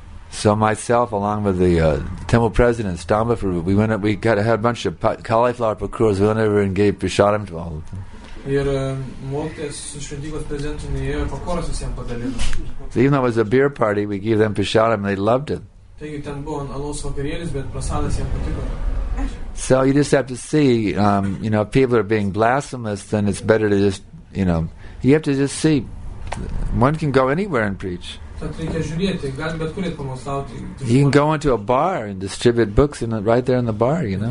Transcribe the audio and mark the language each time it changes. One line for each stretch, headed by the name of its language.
English: So myself, along with the temple president, Stambafru, we had a bunch of cauliflower procurers. We went over and gave prasadam to all of them.
Lithuanian: Ir mokytojas su šventyklos prezidentu nuėjo pakoras visiems padalino.
English: So even though it was a beer party, we gave them prasadam and they loved it.
Lithuanian: Taigi ten buvo alaus vakarėlis, bet prasadas jiems patiko.
English: So you just have to see, you know, if people are being blasphemous, then it's better to just, you know, you have to just see. One can go anywhere and preach. You can go into a bar and distribute books in the, right there in the bar, you know.